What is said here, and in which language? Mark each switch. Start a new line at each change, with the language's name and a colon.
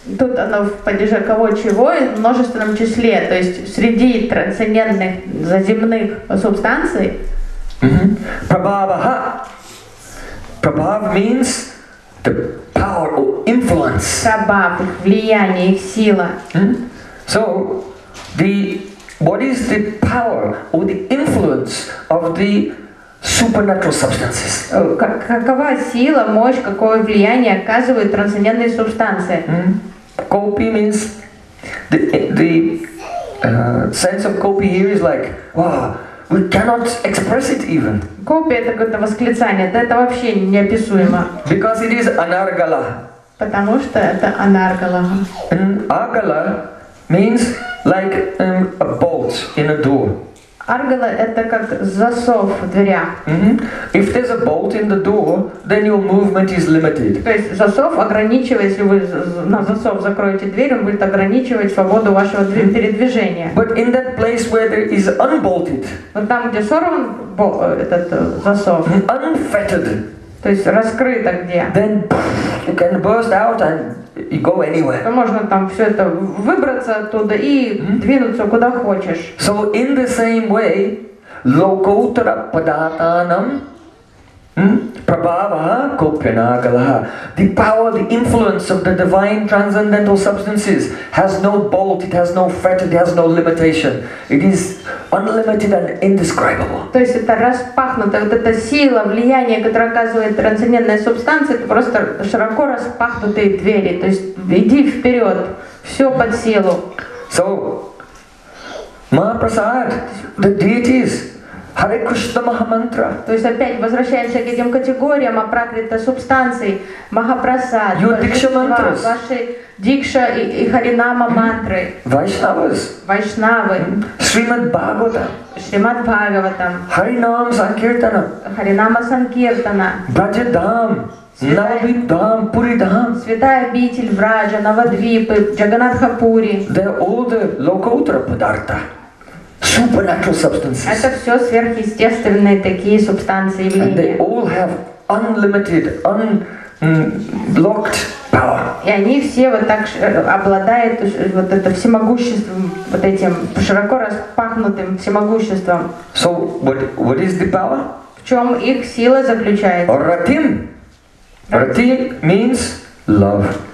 Russian: Тут оно в падеже кого-чего и в множественном числе, то есть среди трансцендентных заземных субстанций.
English: Прабаваха. Прабав means the power or influence.
Russian: Прабав, их влияние, их сила.
English: So, what is the power or the influence of the supernatural substances.
Russian: Какова сила, мощь, какое влияние оказывают трансцендентные субстанции?
English: Kopi means the sense of kopi here is like, wow, we cannot express it even.
Russian: Kopi – это какое-то восклицание, да это вообще неописуемо.
English: Because it is anargala.
Russian: Потому что это anargala.
English: Argala means like a bolt in a door.
Russian: Аргала – это как засов в дверях.
English: If there's a bolt in the door, then your movement is limited.
Russian: То есть засов ограничивает, если вы на засов закроете дверь, он будет ограничивать свободу вашего передвижения.
English: But in that place where there is unbolted.
Russian: Но там, где сорван этот засов.
English: Unfettered.
Russian: То есть раскрыто где.
English: Then you can burst out and you go anywhere.
Russian: То можно там все это выбраться оттуда и двинуться куда хочешь.
English: So in the same way,
Sanskrit: lokotara padatanam prabhava kopyanagala.
English: The power, the influence of the divine transcendental substances has no bolt, it has no fetter, it has no limitation. It is unlimited and indescribable.
Russian: То есть это распахнуто, вот эта сила, влияние, которое оказывает трансцендентная субстанция, это просто широко распахнутые двери. То есть иди вперед, все под силу.
English: So, Mahaprasad, the deities, Hare Krishna Mahamantra.
Russian: То есть опять возвращаемся к этим категориям, апракрита субстанции, Mahaprasad, Божества, ваши Дикша и Харинама мантры. Вайшнавас. Вайшнавы. Шримад Бхагавата. Шримад Бхагаватам. Харинам Санкиртана. Харинама Санкиртана. Браджа Дам. Навадвип Дам. Пури Дам. Святая обитель Браджа, Навадвипы, Джаганатха Пури.
English: They're all the Локоутара Падарта. Supernatural substances.
Russian: Это все сверхъестественные такие субстанции и влияния.
English: And they all have unlimited, unlocked power.
Russian: И они все вот так обладают вот это всемогуществом, вот этим широко распахнутым всемогуществом.
English: So what is the power?
Russian: В чем их сила заключается?
English: Ратим. Ратим means Love.